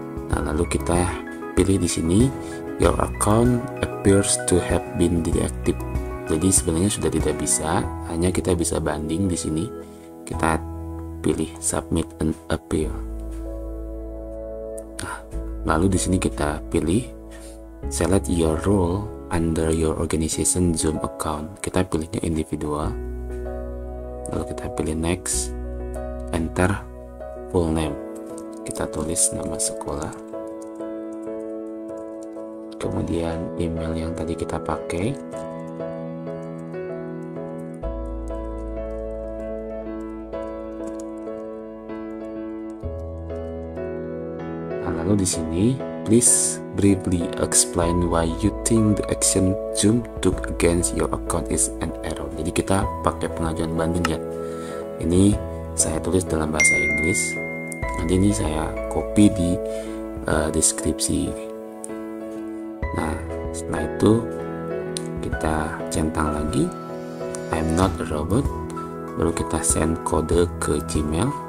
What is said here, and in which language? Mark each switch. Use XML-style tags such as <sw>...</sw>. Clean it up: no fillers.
<id>Nah, lalu kita pilih di sini</id> <en>your account appears to have been deactivated.</en> <id>Jadi sebenarnya sudah tidak bisa, hanya kita bisa banding di sini. Kita pilih</id> <en>submit an appeal.</en> <id>Nah, lalu di sini kita pilih</id> <en>select your role under your organization Zoom account.</en> <id>Kita pilihnya individual. Lalu kita pilih next,</id> <en>enter full name.</en> <id>Kita tulis nama sekolah. Kemudian email yang tadi kita pakai. Lalu di sini,</id> <en>please briefly explain why you think the action Zoom took against your account is an error.</en> <id>Jadi kita pakai pengajuan banding ya. Ini saya tulis dalam bahasa Inggris. Nanti ini saya copy di deskripsi. Nah, setelah itu kita centang lagi.</id> <en>I'm not a robot.</en> <id>Baru kita send kode ke Gmail.</id>